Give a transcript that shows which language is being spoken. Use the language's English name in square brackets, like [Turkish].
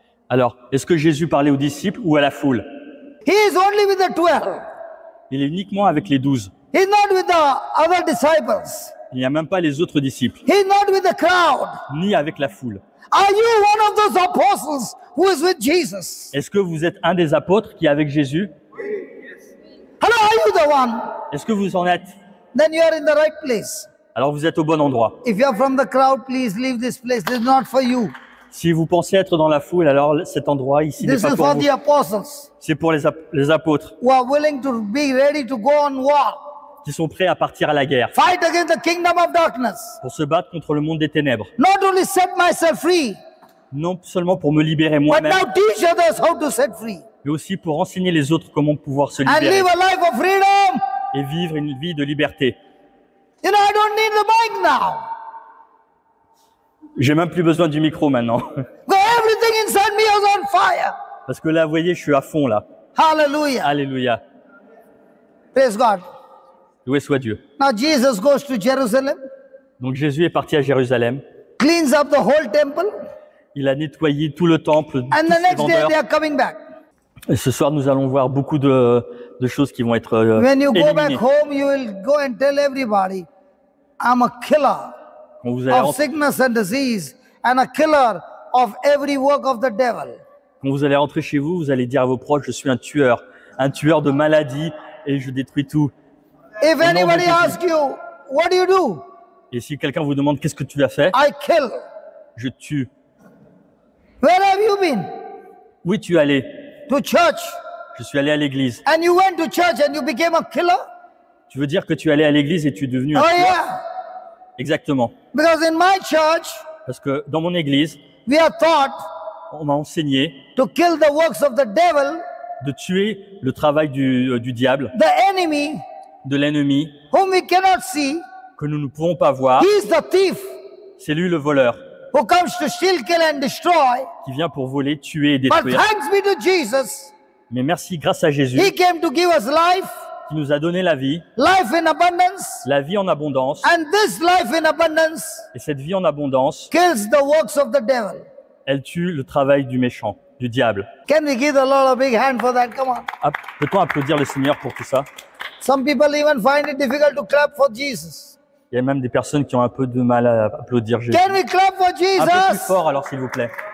[French] Alors, est-ce que Jésus parlait aux disciples ou à la foule? [English] He is only with the 12. [French] Il est uniquement avec les 12. [English] He's not with the other disciples. [French] Il n'y a même pas les autres disciples. [English] He's not with the crowd. [French] Ni avec la foule. [English] Are you one of those apostles who is with Jesus? [French] Est-ce que vous êtes un des apôtres qui est avec Jésus? [English] Oui. Yes. Hello, are you the one? [French] Est-ce que vous en êtes? [English] Then you are in the right place. [French] Alors vous êtes au bon endroit. [English] If you are from the crowd, please leave this place. This is not for you. [French] Si vous pensez être dans la foule, alors cet endroit ici n'est pas pour vous. [English] This is for the apostles. [French] C'est pour les apôtres. [English] Who are willing to be ready to go on war. [French] Qui sont prêts à partir à la guerre. [English] Fight against the kingdom of darkness. [French] Pour se battre contre le monde des ténèbres. [English] Not only set myself free. [French] Non seulement pour me libérer moi-même. [English] But now teach others how to set free. [French] Mais aussi pour enseigner les autres comment pouvoir se libérer. [English] And live a life of freedom. [French] Et vivre une vie de liberté. [English] You know, I don't need the mic now. [French] J'ai même plus besoin du micro maintenant. [English] Everything inside me is on fire. [French] Parce que là, vous voyez, je suis à fond là. [English] Hallelujah. [French] Alléluia. [English] Praise God. [French] Loué soit Dieu. [English] Now Jesus goes to Jerusalem. [French] Donc Jésus est parti à Jérusalem. [English] cleans up the whole temple. [French] Il a nettoyé tout le temple. [English] And the next day they are coming back. [French] Et ce soir, nous allons voir beaucoup de choses qui vont être éliminées. [English] When you go back home, you will go and tell everybody, I'm a killer of sickness and disease and a killer of every work of the devil. [French] Quand vous allez rentrer chez vous, vous allez dire à vos proches, je suis un tueur de maladies et je détruis tout. [English] If anybody asks you, what do you do? [French] Et si quelqu'un vous demande, qu'est-ce que tu as fait? [English] I kill. [French] Je tue. [English] Where have you been? [French] Où es-tu allé? [English] To church. [French] Je suis allé à l'église. [English] And you went to church and you became a killer? [French] Tu veux dire que tu es allé à l'église et tu es devenu un tueur? [English] Oh yeah. [French] Exactement. [English] Because in my church, [French] parce que dans mon église, [English] we are taught, [French] on m'a enseigné, [English] to kill the works of the devil, [French] de tuer le travail du diable, [English] the enemy, [French] de l'ennemi, [English] whom we cannot see, [French] que nous ne pouvons pas voir. [English] He is the thief. [French] C'est lui le voleur. [English] Who comes to steal, kill and destroy. [French] Qui vient pour voler, tuer et détruire. [English] But thanks be to Jesus. [French] Mais merci grâce à Jésus. [English] He came to give us life. [French] Qui nous a donné la vie. [English] Life in abundance. [French] La vie en abondance. [English] And this life in abundance. [French] Et cette vie en abondance. [English] Kills the works of the devil. [French] Elle tue le travail du méchant, du diable. [English] Can we give the Lord a big hand for that? Come on. [French] Peut-on applaudir le Seigneur pour tout ça? [English] Some people even find it difficult to clap for Jesus. [French] Il y a même des personnes qui ont un peu de mal à applaudir Jésus. [English] Can we clap for Jesus? [French] Un peu plus fort alors, s'il vous plaît.